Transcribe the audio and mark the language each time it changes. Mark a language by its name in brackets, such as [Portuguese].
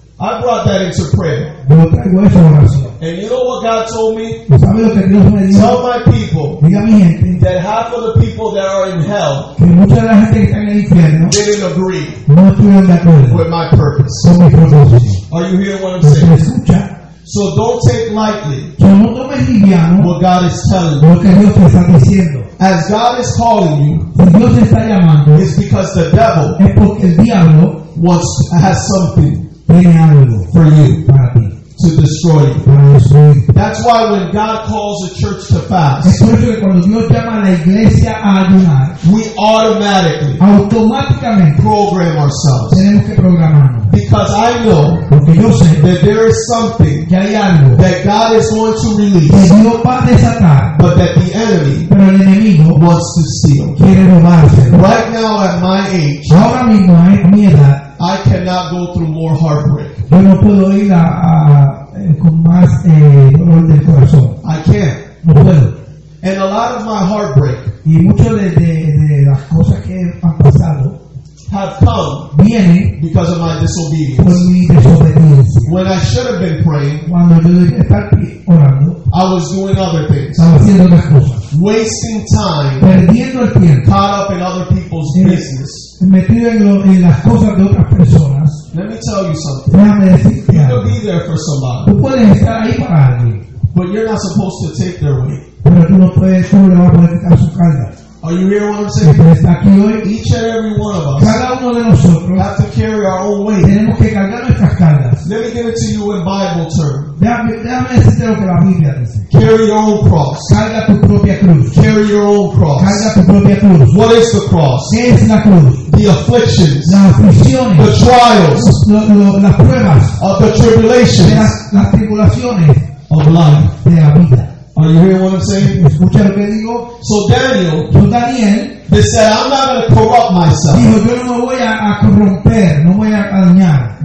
[English] I brought that into prayer. [Spanish] Yo traigo eso a oración. [English] And you know what God told me? [Spanish] ¿Sabe lo que Dios me dijo? [English] Tell my people, [Spanish] diga mi gente, [English] that half of the people that are in hell, [Spanish] que mucha de la gente que está en el infierno, [English] didn't agree, [Spanish] no estuvieron de acuerdo, [English] with my purpose. [Spanish] Con mi propósito. [English] Are you hearing what I'm saying? [Spanish] Escucha. [English] So don't take lightly, [Spanish] que no tomes liviano, [English] what God is telling you, [Spanish] lo que Dios te está diciendo. [English] As God is calling you, [Spanish] si Dios te está llamando, [English] it's because the devil, [Spanish] es porque el diablo, [English] wants, has something, [Spanish] tiene algo, [English] for you, [Spanish] para ti, [English] to destroy you. [Spanish] Para destruir. [English] That's why when God calls the church to fast, [Spanish] es por eso que cuando Dios llama a la iglesia a ayunar, [English] we automatically, [Spanish] automáticamente, [English] program ourselves, [Spanish] tenemos que programarnos. [English] Because I know, [Spanish] porque yo sé, [English] that there is something, [Spanish] que hay algo, [English] that God is going to release, [Spanish] que Dios va a desatar, [English] but that the enemy, [Spanish] pero el enemigo, [English] wants to steal, [Spanish] quiere robarse. [English] Right now at my age, [Spanish] ahora mismo a mi edad, [English] I cannot go through more heartbreak. [Spanish] Yo no puedo ir con más dolor del corazón. [English] I can't. [Spanish] No puedo. [English] And a lot of my heartbreak, [Spanish] y mucho de las cosas que han pasado, [English] have come, [Spanish] viene [English] because of my disobedience. [Spanish] Por mi desobediencia. [English] When I should have been praying, [Spanish] cuando yo debería estar orando, [English] I was doing other things. [Spanish] Estaba haciendo otras cosas. [English] Wasting time, [Spanish] perdiendo el tiempo, [English] caught up in other people's business, [Spanish] metido en las cosas de otras personas. [English] Let me tell you something. [Spanish] Déjame decirte algo. [English] You could be there for somebody. [Spanish] Tú puedes estar ahí para alguien. [English] But you're not supposed to take their weight. [Spanish] Pero tú no puedes, tú no le vas a poder quitar su carga. [English] Are you hearing what I'm saying? [Spanish] Pero está aquí hoy. [English] Each and every one of us, [Spanish] cada uno de nosotros, [English] have to carry our own weight. [Spanish] Tenemos que cargar nuestras cargas. [English] Let me give it to you in Bible terms. [Spanish] Déjame decirte lo que la Biblia dice. [English] Carry your own cross. [Spanish] Carga tu propia cruz. [English] Carry your own cross. [Spanish] Carga tu propia cruz. [English] What is the cross? [Spanish] ¿Qué es la cruz? [English] The afflictions. [Spanish] Las aflicciones. [English] The trials. [Spanish] Las pruebas. [English] Of the tribulations. [Spanish] Las tribulaciones. [English] Of life. [Spanish] De la vida. [English] Are you hearing what I'm saying? [Spanish] Escucha lo que digo. [English] So Daniel, they said, I'm not going to corrupt myself. [Spanish] Dijo, yo no voy a corromper, no voy a dañar.